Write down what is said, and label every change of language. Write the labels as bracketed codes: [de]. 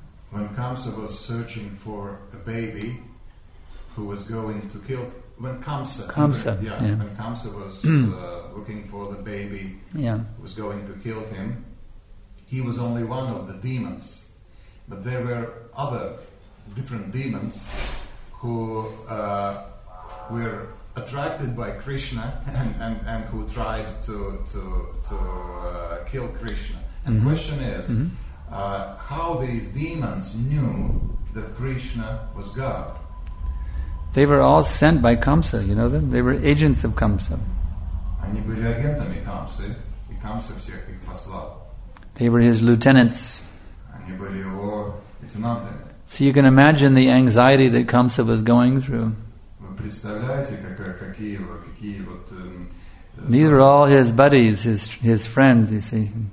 [en] When Kamsa was searching for a baby who was going to kill, when Kamsa was looking for the baby who was going to kill him, he was only one of the demons, but there were other different demons who were attracted by Krishna and who tried to kill Krishna. And the question is, how these demons knew that Krishna was God? They were all sent by Kamsa, you know them? They were agents of Kamsa. [ru] Они были агентами Камсы, и Камса всех их послал. [en] They were his lieutenants. [ru] Они были его лейтенантами. [en] So you can imagine the anxiety that Kamsa was going through. [ru] Вы представляете, какие вот... [en] These were all his buddies, his friends, you see.